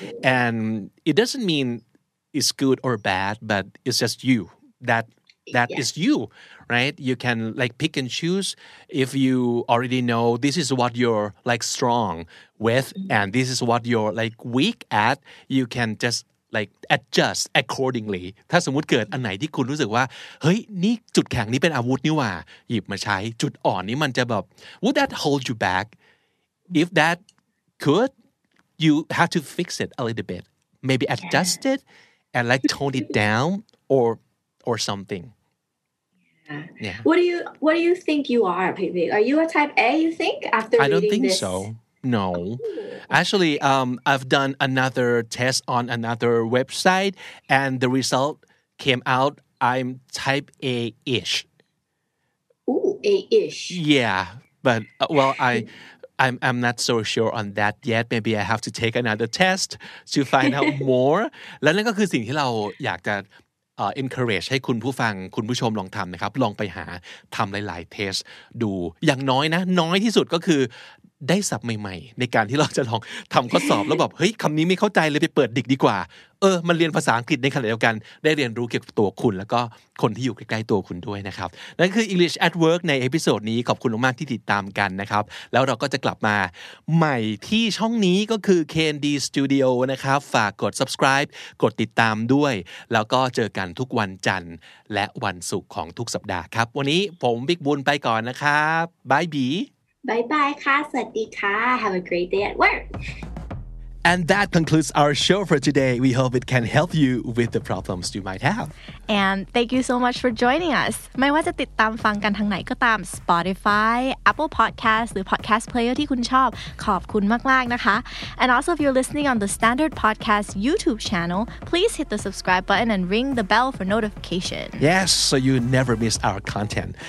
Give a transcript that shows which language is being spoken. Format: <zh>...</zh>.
<en>And it doesn't mean it's good or bad, but it's just you. That yeah. is you, right? You can like pick and choose if you already know this is what you're like strong with mm-hmm. and this is what you're like weak at. You can just like adjust accordingly.</en> <th>ถ้าสมมุติเกิดอันไหนที่คุณรู้สึกว่าเฮ้ยนี่จุดแข็งนี้เป็นอาวุธนี่ว่าหยิบมาใช้จุดอ่อนนี้มันจะแบบ</th> <en>would that hold you back? If that could, you have to fix it a little bit. Maybe adjust it and like tone it down or something. Yeah. What do you think you are, Pibik? Are you a type A, you think, after reading this? I don't think this? So. No. Ooh. Actually, I've done another test on another website, and the result came out, I'm type A-ish. Ooh, A-ish. Yeah, but, well, I'm not so sure on that yet. Maybe I have to take another test to find out more.</en> <th>และนั่นก็คือสิ่งที่เราอยากจะencourage ให้คุณผู้ฟังคุณผู้ชมลองทำนะครับลองไปหาทำหลายๆเทสดูอย่างน้อยนะน้อยที่สุดก็คือได้ศัพท์ใหม่ๆในการที่เราจะลองทำข้อสอบแล้วแบบเฮ้ยคำนี้ไม่เข้าใจเลยไปเปิดดิกดีกว่า มันเรียนภาษาอังกฤษในขณะเดียวกันได้เรียนรู้เกี่ยวกับตัวคุณแล้วก็คนที่อยู่ใกล้ๆตัวคุณด้วยนะครับนั่นคือ English at Work ในเอพิโซดนี้ขอบคุณมากที่ติดตามกันนะครับแล้วเราก็จะกลับมาใหม่ที่ช่องนี้ก็คือ KND Studio นะครับฝากกด Subscribe กดติดตามด้วยแล้วก็เจอกันทุกวันจันทร์และวันศุกร์ของทุกสัปดาห์ครับวันนี้ผมบิ๊กบุญไปก่อนนะครับบายบี บายบายค่ะสวัสดีค่ะ</th> <en>Have a great day at work And that concludes our show for today. We hope it can help you with the problems you might have. And thank you so much for joining us.</en> <th>ไม่ว่าจะติดตามฟังกันทางไหนก็ตาม Spotify, Apple Podcasts, หรือ Podcast Player ที่คุณชอบ ขอบคุณมากๆ นะคะ</th> <en>And also if you're listening on the Standard Podcast YouTube channel, please hit the subscribe button and ring the bell for notification. Yes, so you never miss our content.</en>